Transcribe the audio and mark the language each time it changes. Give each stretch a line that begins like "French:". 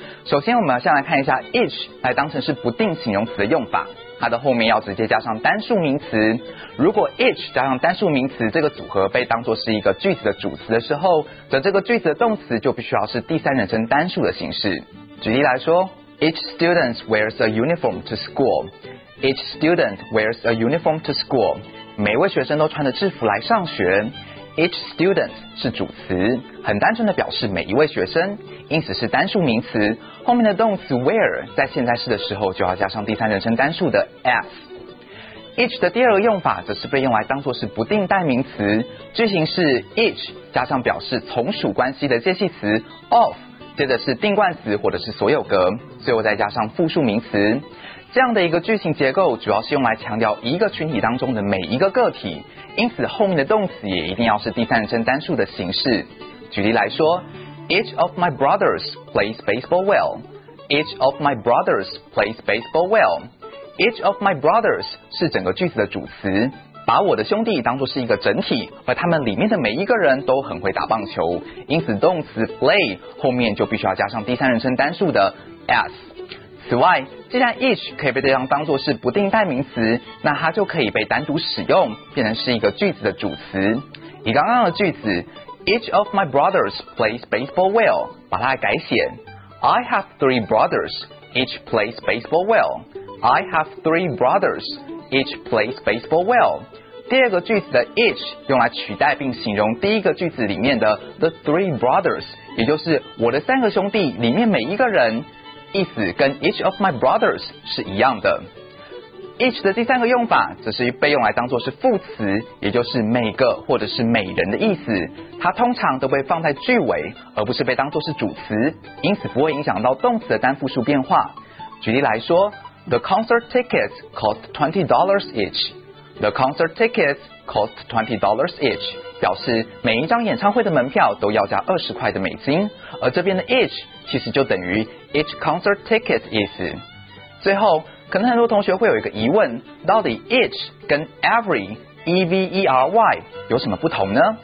Chinese: 首先，我们要先来看一下 itch 来当成是不定形容词的用法。它的后面要直接加上单数名词，如果 itch 加上单数名词这个组合被当作是一个句子的主词的时候，则这个句子的动词就必须要是第三人称单数的形式。举例来说，
English: Each student wears a uniform to school. Each student wears a uniform to school.
Chinese: 每位学生都穿着制服来上学。 Each student 是主词，很单纯的表示每一位学生，因此是单数名词。后面的动词 wear 在现在式的时候就要加上第三人称单数的 s。 Each 的第二个用法则是被用来当作是不定代名词，句型是 each 加上表示从属关系的介系词 of， 接着是定冠词或者是所有格，最后再加上复数名词。这样的一个句型结构主要是用来强调一个群体当中的每一个个体，因此后面的动词也一定要是第三人称单数的形式。举例来说，
English: Each of my brothers plays baseball well. Each of my brothers plays baseball well.
Chinese: Each of my brothers 是整个句子的主词，把我的兄弟当作是一个整体，而他们里面的每一个人都很会打棒球，因此动词 play 后面就必须要加上第三人称单数的 s。此外，既然 each 可以被对方当作是不定代名词，那它就可以被单独使用，变成是一个句子的主词。以刚刚的句子 ，
English: Each of my brothers plays baseball well，
Chinese: 把它改写 ，
English: I have three brothers， each plays baseball well。 I have three brothers， each plays baseball well。
Chinese: 第二个句子的 each 用来取代并形容第一个句子里面的
English: the three brothers，
Chinese: 也就是我的三个兄弟里面每一个人。意思跟 each of my brothers 是一样的。 each 的第三个用法则是被用来当作是副词，也就是每个或者是每人的意思，它通常都被放在句尾，而不是被当作是主词，因此不会影响到动词的单复数变化。举例来说，
English: The concert tickets cost $20 each. The concert tickets cost $20 each.
Chinese: 表示每一张演唱会的门票都要价20块的美金，而这边的 each 其实就等于 each concert ticket 意思。最后，可能很多同学会有一个疑问，到底 each 跟 every E-V-E-R-Y 有什么不同呢？